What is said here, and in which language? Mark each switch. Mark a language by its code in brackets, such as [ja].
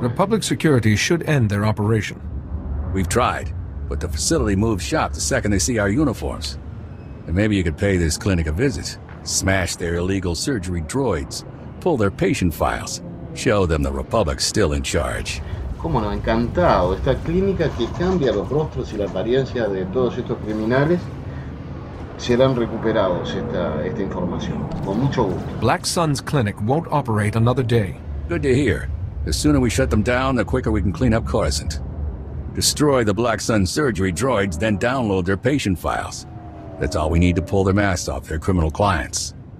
[en] Republic Security should end their operation. We've tried, but the facility moves shop the second they see our uniforms. And maybe you could pay this clinic a visit, smash their illegal surgery droids, pull their patient files, show them the Republic's still in charge. [es] Cómo no, encantado. Esta clínica que cambia los rostros y la apariencia de todos estos criminales, serán recuperados esta información. Con mucho gusto. [en] Black Sun's clinic won't operate another day. Good to hear. The sooner we shut them down, the quicker we can clean up Coruscant. Destroy the Black Sun surgery droids, then download their patient files. That's all we need to pull their masks off their criminal clients.